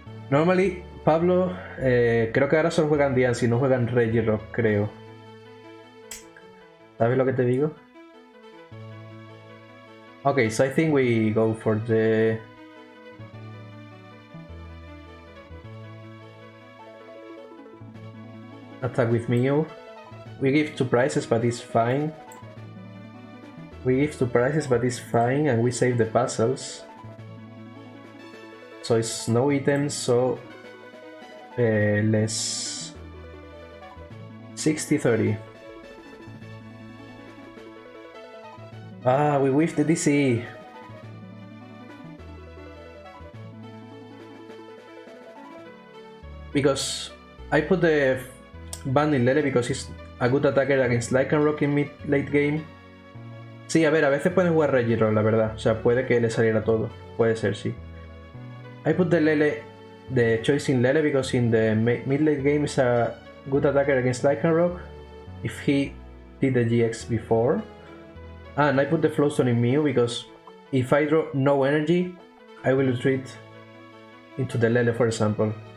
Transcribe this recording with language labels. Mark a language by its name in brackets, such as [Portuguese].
[English] Normally, [Spanish] Pablo, creo que ahora solo juegan DNC, no juegan Regirock, creo. ¿Sabes lo que te digo? [English] Okay, so I think we go for the. Attack with Mew. We give two prizes, but it's fine. We give two prizes, but it's fine, and we save the puzzles. So it's no items, so less 60-30. Ah, we whiff the DC. Because I put the band in Lele because it's a good attacker against Lycanroc in mid late game. [Spanish] Sí, a ver, a veces pueden jugar Regirock, la verdad. O sea, puede que le saliera todo. Puede ser, sí. [English] I put the Lele, the choice in Lele because in the mid late game is a good attacker against Lycanroc. If he did the GX before. And I put the Flowstone in Mew because if I draw no energy, I will retreat into the Lele, for example.